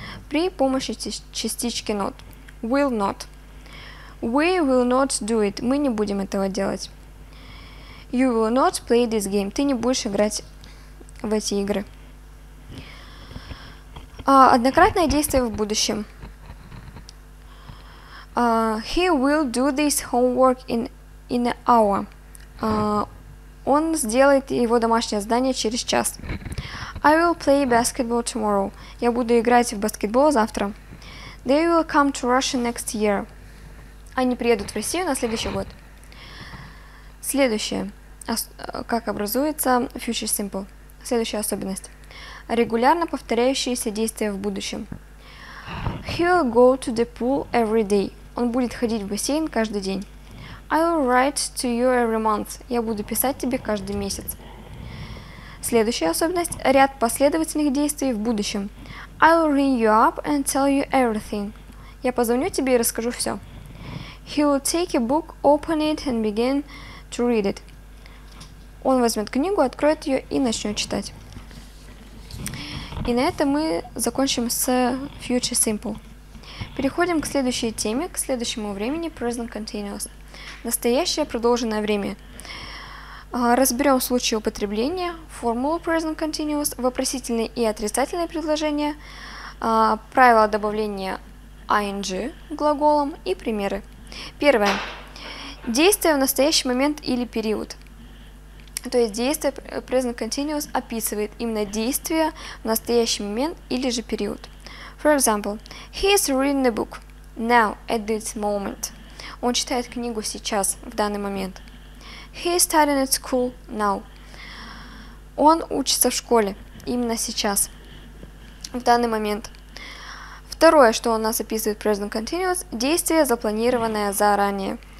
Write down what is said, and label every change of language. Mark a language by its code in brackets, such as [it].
[ru] При помощи частички [en] not. Will not. We will not do it. [ru] Мы не будем этого делать. [en] You will not play this game. [ru] Ты не будешь играть в эти игры. Однократное действие в будущем. [en] He will do this homework in an hour. [ru] Он сделает его домашнее задание через час. [en] I will play basketball tomorrow. [ru] Я буду играть в баскетбол завтра. [en] They will come to Russia next year. [ru] Они приедут в Россию на следующий год. Следующее. Как образуется future simple? Следующая особенность. Регулярно повторяющиеся действия в будущем. [en] He'll go to the pool every day. [ru] Он будет ходить в бассейн каждый день. [en] I'll write to you every month. [ru] Я буду писать тебе каждый месяц. Следующая особенность. Ряд последовательных действий в будущем. [en] I'll ring you up and tell you everything. [ru] Я позвоню тебе и расскажу все. [en] He'll take a book, open it and begin to read it. [ru] Он возьмет книгу, откроет ее и начнет читать. И на этом мы закончим с Future Simple. Переходим к следующей теме, к следующему времени Present Continuous. Настоящее продолженное время. Разберем случаи употребления, формулу present continuous, вопросительные и отрицательные предложения, правила добавления ing глаголом и примеры. Первое. Действие в настоящий момент или период. То есть действие present continuous описывает именно действие в настоящий момент или же период. [en] For example, he is reading the book now at this moment. [ru] Он читает книгу сейчас, в данный момент. [en] He is studying at school now. [ru] Он учится в школе, именно сейчас, в данный момент. Второе, что у нас описывает present continuous, действие, запланированное заранее.